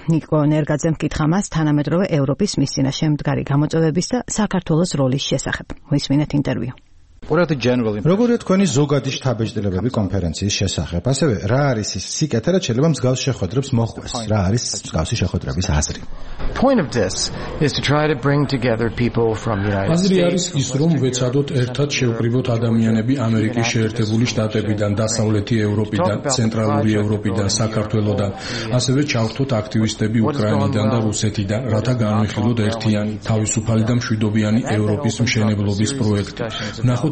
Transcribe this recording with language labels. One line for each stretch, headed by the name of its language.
Georgian: ნიკო ნერგაძემ კითხა მას თანამედროვე ევროპის მისინა შემდგარი გამოწვევების და საქართველოს როლის შესახებ. მოისმინეთ ინტერვიუ. როგორია თქვენი ზოგადი შთაბეჭდილებები კონფერენციის შესახებ? ასევე, რა არის ის სიკეთე, რაც შეიძლება მსგავს შეხვედრებს მოხდეს? რა არის მსგავსი შეხვედრების აზრი?
English: Point of this is to try to bring together people from the United States.
Georgian: აზრი არის ის, რომ ვეცადოთ ერთად შევკრიბოთ ადამიანები ამერიკის შეერთებული შტატებიდან, დასავლეთი ევროპიდან, ცენტრალური ევროპიდან, საქართველოდან. ასევე ჩავხვდეთ აქტივისტები უკრაინიდან და რუსეთიდან, რათა განვიხილოთ ერთიანი, თავისუფალი და მშვიდობიანი ევროპის მშენებლობის პროექტი. ნახო